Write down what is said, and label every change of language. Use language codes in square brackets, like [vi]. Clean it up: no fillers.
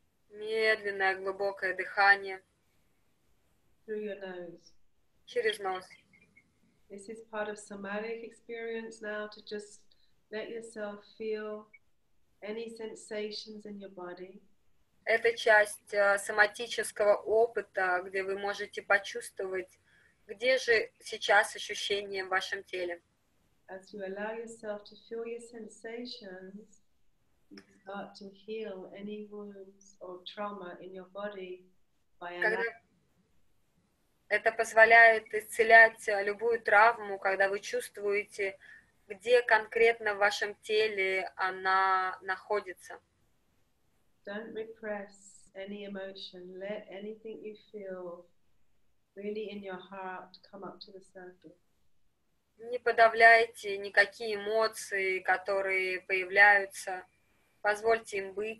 [ru] Медленное, глубокое дыхание. [en] Through your nose. [ru] Через нос. [en] This is part of somatic experience now to just let yourself feel any sensations in your body. [ru] Это часть соматического опыта, где вы можете почувствовать, где же сейчас ощущения в вашем теле. [en] As you allow yourself to feel your sensations, you start to heal any wounds or trauma in your body by allowing. [ru] Это позволяет исцелять любую травму, когда вы чувствуете, где конкретно в вашем теле она находится. [en] Don't repress any emotion. Let anything you feel really in your heart come up to the surface. [ru] Не подавляйте никакие эмоции, которые появляются. Позвольте им